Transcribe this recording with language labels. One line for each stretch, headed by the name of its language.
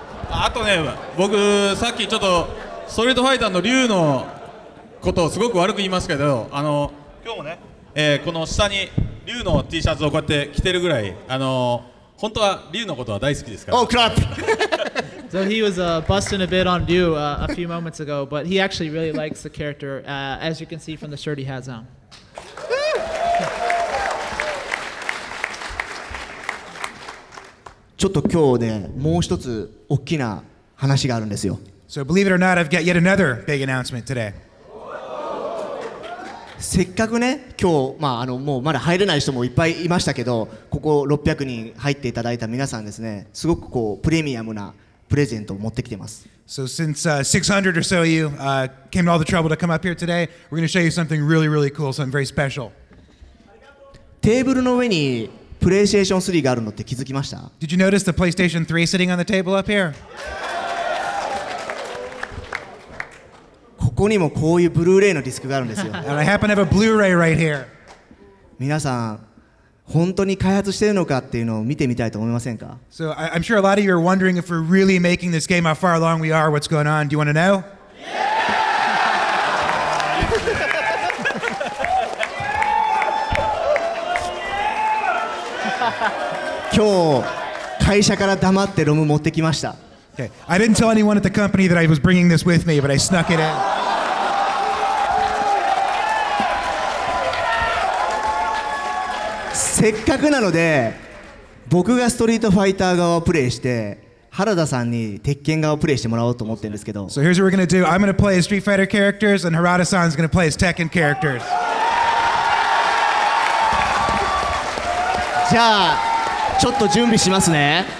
Japanese: あとね、僕さっきちょっとストリートファイターの竜のことをすごく悪く言いますけど、あの今日もね、この下に龍の T シャツをこうやって着てるぐらい、本当は龍のことは大好きですから。
English: Oh crap! So he was busting a bit on Ryu a few moments ago, but he actually really likes the character, as you can see from the shirt he has on.
Japanese: ちょっと今日ね、もう一つ大きな話があるんですよ。
English: So believe it or not, I've got yet another big announcement today.
Japanese: せっかくね、今日、まあ、もうまだ入れない人もいっぱいいましたけど、ここ600人入っていただいた皆さんですね、すごくこうプレミアムなプレゼントを持ってきてます。
English: So since 600 or so of you came to all the trouble to come up here today, we're going to show you something really, really cool, something very special.
Japanese: テーブルの上にプレイステーション3があるのって気づきました？
English: Did you notice the PlayStation 3 sitting on the table up here?
Japanese: ここにもこういうブルーレイのディスクがあるんですよ。
English: And I happen to have a Blu-ray right here.
Japanese: 皆さん、本当に開発してるのかっていうのを見てみたいと思いませんか？
English: So I'm sure a lot of you are wondering if we're really making this game, how far along we are, what's going on. Do you want to know? Yeah!
Japanese: 今日、会社から黙ってロム持ってきました。
English: Okay. I didn't tell anyone at the company that I was bringing this with me, but I snuck it in.
Japanese: せっかくなので、僕がストリートファイター側をプレイして、原田さんに鉄拳側をプレイしてもらおうと思ってるんですけど。
English: So here's what we're gonna do. I'm gonna play as Street Fighter characters, and Harada-san's gonna play as Tekken characters.
Japanese: じゃあ、ちょっと準備しますね。